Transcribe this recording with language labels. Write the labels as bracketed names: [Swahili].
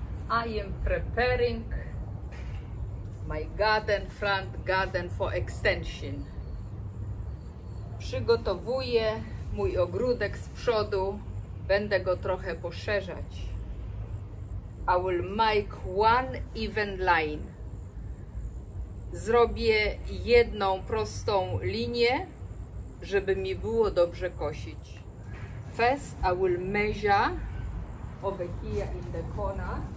[English] I am preparing my garden, front garden for extension. [Polish] Przygotowuję mój ogródek z przodu. Będę go trochę poszerzać. [English] I will make one even line. [Polish] Zrobię jedną prostą linię, żeby mi było dobrze kosić. [English] First I will measure over here in the corner.